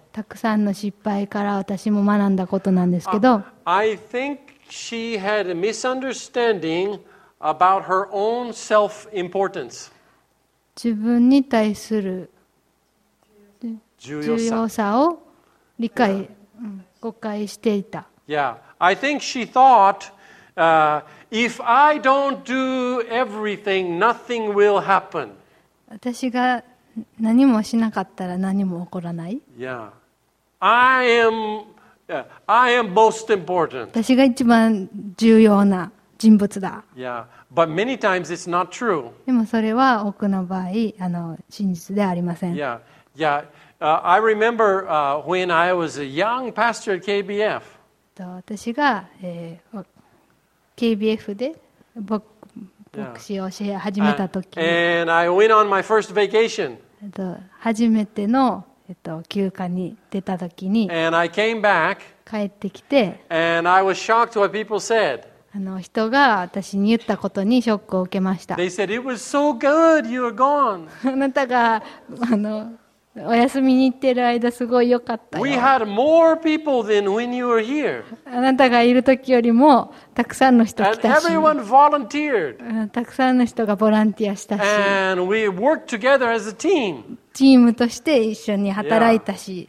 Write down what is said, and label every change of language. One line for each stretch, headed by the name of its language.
Japanese: たくさんの失敗から私も学んだことなんですけど、
English: I think she had a misunderstanding. About her own self-importance.
Japanese: 自分に対する重要さを理解、誤解していた。
English: Yeah, I think she thought If I don't do everything, nothing will happen.
Japanese: 私が何もしなかったら何も起こらない。
English: I am most important.
Japanese: 私が一番重要な人物だ。
English: But many times it's not true.
Japanese: でもそれは多くの場合、真実ではありません。
English: I remember when I was a young pastor at KBF.
Japanese: 私が、KBF で牧師を教え始めた時に、
English: And I went on my first vacation.
Japanese: 初めての休暇に出た時に、
English: And I came back.
Japanese: 帰ってきて、
English: And I was shocked what people said.
Japanese: 人が私に言ったことにショックを受けました。
English: They said it was so good. You were gone.
Japanese: あなたがお休みに行ってる間すごい良かったよ。
English: We had more people than when you were here.
Japanese: あなたがいる時よりもたくさんの人来たし。
English: And everyone volunteered.
Japanese: たくさんの人がボランティアしたし。
English: And we worked together as a team.
Japanese: チームとして一緒に働いたし。